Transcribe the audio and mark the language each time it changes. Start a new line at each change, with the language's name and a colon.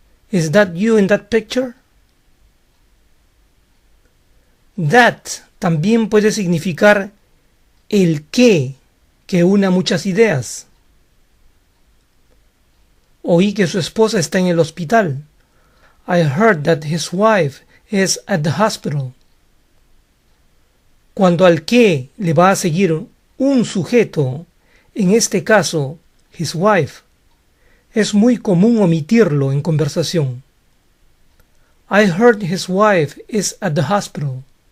English: Is that you in that picture?
Spanish: That también puede significar el qué, que une a muchas ideas. Oí que su esposa está en el hospital.
English: I heard that his wife is at the hospital.
Spanish: Cuando al qué le va a seguir un sujeto, en este caso,
English: his wife,
Spanish: es muy común omitirlo en conversación.
English: I heard his wife is at the hospital.